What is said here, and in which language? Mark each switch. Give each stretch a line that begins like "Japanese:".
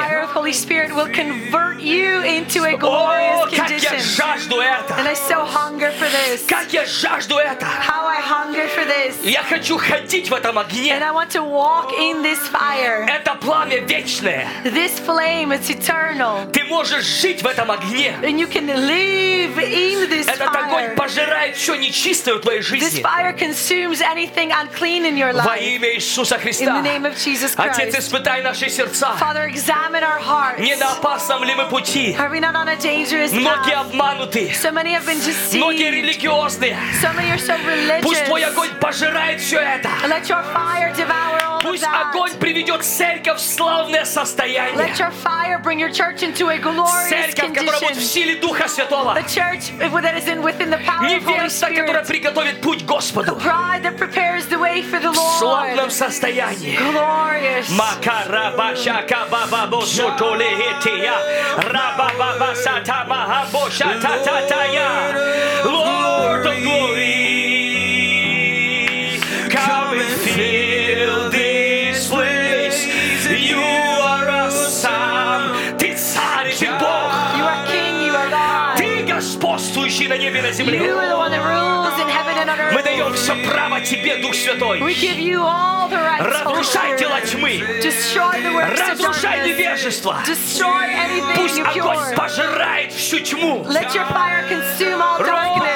English: The fire of Holy Spirit will convert you into a glorious condition.
Russian: Как я жажду это.
English: And I so hunger for this.
Russian: Как я жажду это.
English: How I hunger for this.
Russian: Я хочу ходить в этом огне.
English: And I want to walk in this fire.
Russian: Это пламя вечное.
English: This flame is eternal.
Russian: Ты можешь жить в этом огне.
English: And you can live in this fire.
Russian: Этот огонь пожирает все нечистое в твоей жизни.
English: This fire consumes anything unclean. In your life.
Russian: Во имя Иисуса Христа.
English: In the name of Jesus Christ.
Russian: Отец, испытай наши сердца.
English: Father, examine our hearts.
Russian: Не на опасном ли мы пути?
English: Are we not on a dangerous path?
Russian: Многие обмануты.
English: So many have been deceived.
Russian: Многие религиозные.
English: So many are so religious.
Russian: Пусть твой огонь пожирает все это.
English: Let your fire devour all
Russian: пусть
English: of that.
Russian: Огонь приведет церковь в славное состояние.
English: Let your fire bring your church into a glorious
Russian: церковь, Церковь, которая будет в силе Духа Святого.
English: The church that is in within the power
Russian: не
English: of Holy Spirit.
Russian: Невеста, которая приготовит путь Господу.
English: The bride that prepares the way for the Lord.
Russian: Славном состоянии.
English: Glorious. Макарабаша кабаба босу толехетия. Рабабаба сата маха боша тататая. Lord of glory. Come and fill this place. You are awesome.
Russian: Ты царь, ты Бог.
English: You are king, you are God.
Russian: Ты господствующий на небе и на земле.
English: You are the one that rules in heaven and on earth.
Russian: Мы даем все право тебе, Дух Святой.
English: We give you all the rights.
Russian: Разрушай дела тьмы.
English: Destroy the works of darkness.
Russian: Разрушай невежество.
English: Destroy anything impure.
Russian: Пусть огонь пожирает всю тьму.
English: Let your fire consume all darkness.